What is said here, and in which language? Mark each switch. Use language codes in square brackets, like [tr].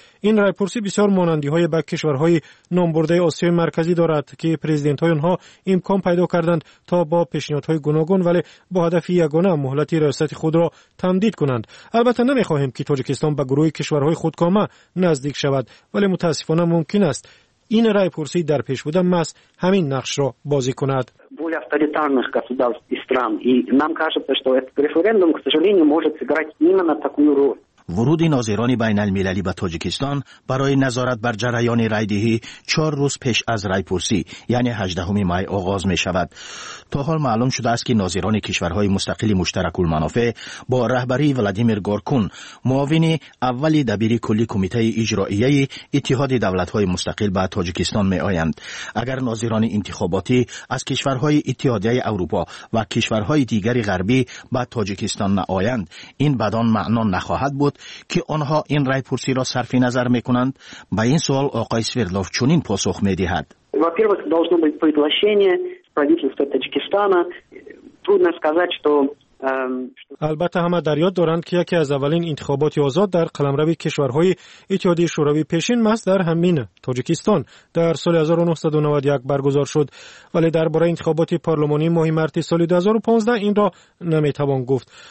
[fa] این رای پرسی بسیار مانندی های به کشورهای نامبرده آسیای مرکزی دارد که پرزیدنت های آنها امکان پیدا کردند تا با پیشنهادهای گوناگون ولی با هدف یگانه مهلت ریاست خود را تمدید کنند. البته نمیخواهیم که تاجیکستان به گروه کشورهای خودکامه نزدیک شود، ولی متاسفانه ممکن است این رای پرسی در پیش بوده ماست همین نقش را بازی کند. [ru] Более авторитарных государств и стран, и нам кажется, что этот референдум, к сожалению, может сыграть именно такую роль. [fa] ورود ناظران بین المللی به تاجیکستان برای نظارت بر جریان رای دهی 4 روز پیش از رای پرسی یعنی 18 می آغاز می شود. تا حال معلوم شده است که ناظران کشورهای مستقل مشترک المنافع با رهبری ولادیمیر گورکون، معاون اول دبیر کلی کمیته اجرایی اتحاد دولت های مستقل به تاجیکستان می آیند. اگر ناظران انتخاباتی از کشورهای اتحادیه اروپا و کشورهای دیگر غربی به تاجیکستان نآیند، این بدان معنا نخواهد بود که آنها این رای پرسی را صرف نظر می کنند. به این سوال آقای سویردلوف چنین پاسخ می دهد. [ru] Во-первых, должно быть приглашение правительства Таджикистана. Трудно сказать, что [fa] البته همه در یاد دارند که یکی از اولین انتخابات آزاد در قلمرو کشورهای اتحادیه شوروی پیشین ماست در همین تاجیکستان در سال 1991 برگزار شد، ولی درباره انتخابات پارلمانی ماه مارس سال 2015 این را نمیتوان گفت.